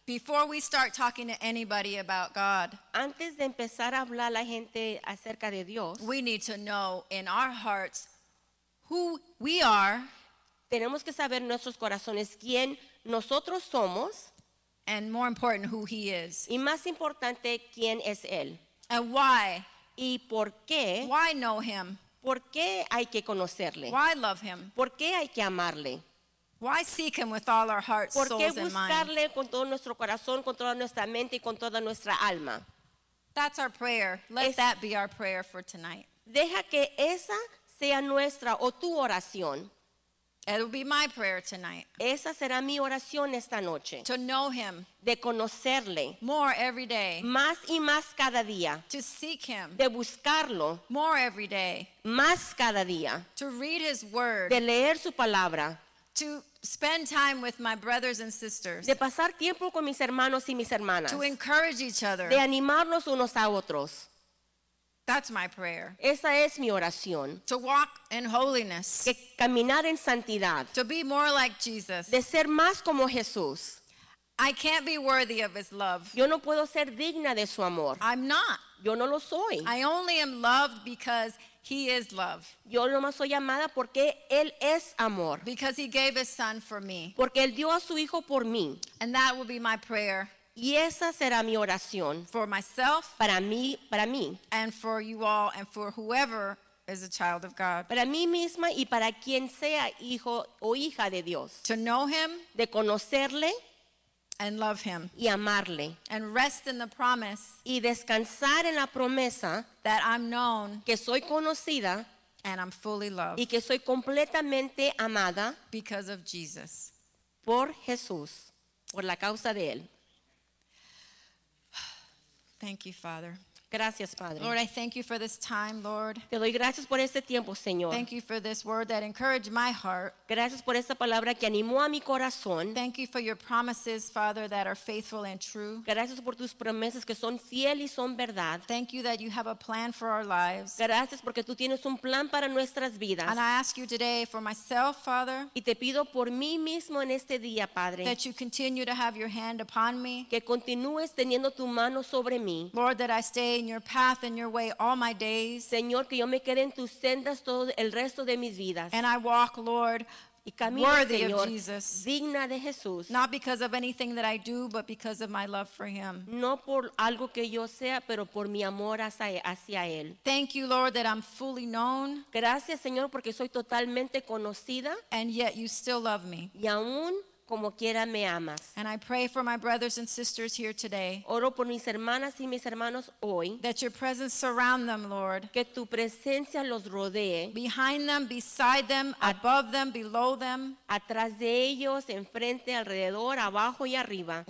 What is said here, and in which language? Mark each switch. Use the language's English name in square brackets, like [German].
[English] Before we start talking to anybody about God, [Spanish] antes de empezar a hablar a la gente acerca de Dios, [English] we need to know in our hearts who we are. [Spanish] Tenemos que saber en nuestros corazones quién nosotros somos. [English] And more important, who he is. [Spanish] Y más importante, quién es él. [English] And why. [Spanish] Y por qué. [English] Why know him. [Spanish] Por qué hay que conocerle. [English] Why love him. [Spanish] Por qué hay que amarle. [English] Why seek him with all our hearts, souls, and minds? [Spanish] ¿Por qué buscarle con todo nuestro corazón, con toda nuestra mente y con toda nuestra alma? [English] That's our prayer. Let that be our prayer for tonight. [Spanish] Deja que esa sea nuestra o tu oración. [English] It'll be my prayer tonight. [Spanish] Esa será mi oración esta noche. [English] To know him. [Spanish] De conocerle. [English] More every day. [Spanish] Más y más cada día. [English] To seek him. [Spanish] De buscarlo. [English] More every day. [Spanish] Más cada día. [English] To read his word. [Spanish] De leer su palabra. [English] To spend time with my brothers and sisters. [Spanish] De pasar tiempo con mis hermanos y mis hermanas. [English] To encourage each other. [Spanish] De animarnos unos a otros. [English] That's my prayer. [Spanish] Esa es mi oración. [English] To walk in holiness. [Spanish] Que caminar en santidad. [English] To be more like Jesus. [Spanish] De ser más como Jesús. [English] I can't be worthy of his love. [Spanish] Yo no puedo ser digna de su amor. [English] I'm not. [Spanish] Yo no lo soy. [English] I only am loved because he is love. [Spanish] Yo nomás soy amada porque él es amor. [English] Because he gave his son for me. [Spanish] Porque él dio a su hijo por mí. [English] And that will be my prayer. [Spanish] Y esa será mi oración. [English] For myself. [Spanish] Para mí. [English] And for you all and for whoever is a child of God. [Spanish] Para mí misma y para quien sea hijo o hija de Dios. [English] To know him. [Spanish] De conocerle. [English] And love him. [Spanish] Y amarle. [English] And rest in the promise. [Spanish] Y descansar en la promesa. [English] That I'm known. [Spanish] Que soy conocida. [English] And I'm fully loved. [Spanish] Y que soy completamente amada. [English] Because of Jesus. [Spanish] Por Jesús. Por la causa de él. [English] Thank you, Father. [Spanish] Gracias, Padre. [English] Lord, I thank you for this time, Lord. [Spanish] Te doy gracias por este tiempo, Señor. [English] Thank you for this word that encouraged my heart. [Spanish] Gracias por esta palabra que animó a mi corazón. [English] Thank you for your promises, Father, that are faithful and true. [Spanish] Gracias por tus promesas que son fieles y son verdad. [English] Thank you that you have a plan for our lives. [Spanish] Gracias porque tú tienes un plan para nuestras vidas. [English] And I ask you today for myself, Father. [Spanish] Y te pido por mí mismo en este día, Padre. [English] That you continue to have your hand upon me. [Spanish] Que continúes teniendo tu mano sobre mí. [English] Lord, that I stay in your path and your way all my days. [Spanish] Señor, que yo me quede en tus sendas todo el resto de mis vidas. [English] And I walk, Lord, [Spanish] y camino, [English] worthy, [Spanish] Señor, [English] of Jesus. [Spanish] Digna de Jesús. [English] Not because of anything that I do, but because of my love for him. [Spanish] No por algo que yo sea, pero por mi amor hacia él. [English] Thank you, Lord, that I'm fully known. [Spanish] Gracias, Señor, porque soy totalmente conocida. [English] And yet you still love me. [Spanish] Y aún como quiera me amas. [English] And I pray for my brothers and sisters here today. [Spanish] Oro por mis hermanas y mis hermanos hoy. [English] That your presence surround them, Lord. [Spanish] Que tu presencia los rodee. [English] Behind them, beside them, above them, below them. [Spanish] Atrás de ellos, enfrente, alrededor, abajo y arriba.